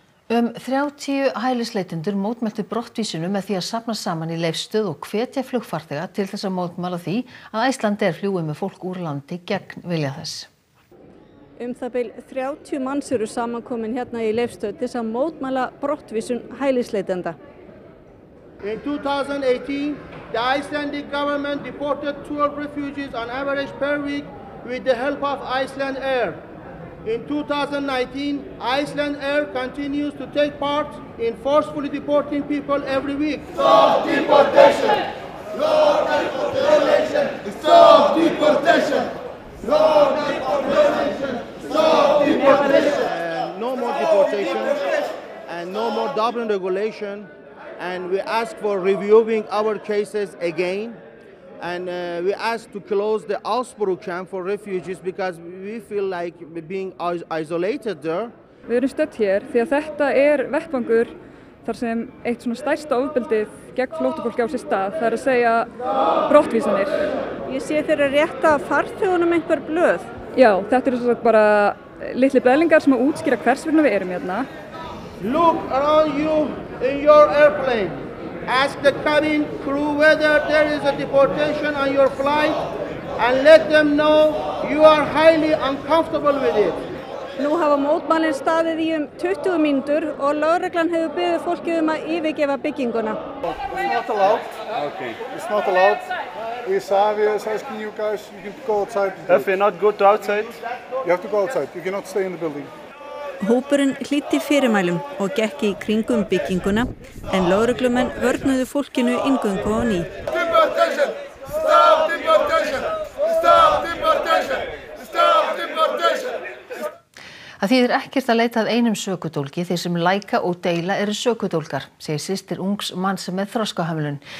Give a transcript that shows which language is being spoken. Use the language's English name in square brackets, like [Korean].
[Icelandic] 30 hælisleitendur mótmæltu brottvísunum með því að safna saman í Leifsstöð og hvetja flugfarþega til þess að mótmæla því að Icelandair fljúgi með fólk úr landi gegn vilja þess. Það bil 30 manns eru samankomin hérna í Leifsstöð til þess að mótmæla brottvísun hælisleitenda. [English] In 2018, the Icelandic government deported 12 refugees on average per week with the help of Icelandair. In 2019, Icelandair continues to take part in forcefully deporting people every week. Stop deportation! Lord, deportation! Stop deportation! Lord, deportation! Stop deportation! No more deportation and no more Dublin regulation. And we ask for reviewing our cases again. And we ask to close the Augsburg camp for refugees because we feel like being isolated there. [Icelandic] Við erum stödd hér því að þetta vettvangur þar sem eitt svona stærsta ofbeldið gegn flóttafólki á sér stað, það að segja brottvísanir. Ég sé þeir að rétta farþegunum einhver blöð. Já, þetta eru svo bara litli beðlingar sem að útskýra hvers vegna við erum hérna. [English] Look around you in your airplane. Ask the cabin crew whether there is a deportation on your flight and let them know you are highly uncomfortable with it. [Icelandic] Nú hafa mótmælin staðið í 20 mínútur og lögreglan hefur beðið fólki að yfirgefa bygginguna. [English] It's not allowed. Okay. It's not allowed. Isavia is asking you guys, you can go outside. If you're not good outside. You have to go outside. You cannot stay in the building. [Icelandic] Hópurinn hlýtti fyrirmælum og gekk í kringum bygginguna en lögreglumenn vörnuðu fólkinu inngöngu á ný. [English] Deportation! Stop deportation! Stop deportation! Stop deportation! [Icelandic] Það þýðir ekkert að leita að einum sökudólgi þeir sem læka og deila eru sökudólgar, segir systir ungs manns með þroskahömlun.